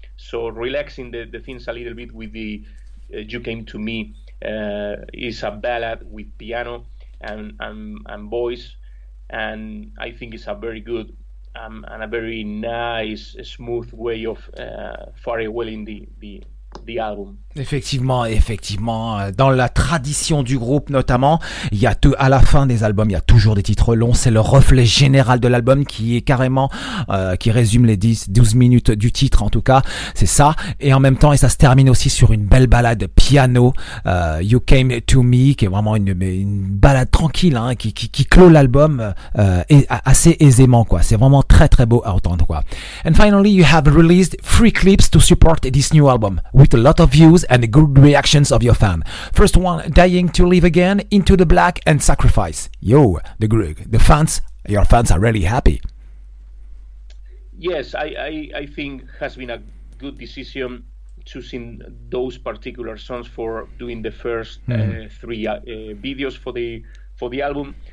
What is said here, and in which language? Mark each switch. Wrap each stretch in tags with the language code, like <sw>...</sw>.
<en>So relaxing the things a little bit with the You Came to Me is a ballad with piano and voice, and I think it's a very good and a very nice, smooth way of farewelling the album.</en> <fr>Effectivement, dans la tradition du groupe notamment, il y a tout, à la fin des albums, il y a toujours des titres longs, c'est le reflet général de l'album qui est carrément, qui résume les 10-12 minutes du titre en tout cas, c'est ça, et en même temps, et ça se termine aussi sur une belle balade piano, You Came to Me, qui est vraiment une balade tranquille, hein, qui clôt l'album assez aisément, quoi. C'est vraiment très très beau à entendre, quoi.</fr> <en>And finally, you have released 3 clips to support this new album, with a lot of views and the good reactions of your fan. First one, Dying to Live Again, Into the Black, and Sacrifice. Yo, the fans, your fans are really happy. Yes, I think it has been a good decision choosing those particular songs for doing the first three videos for the album.</en>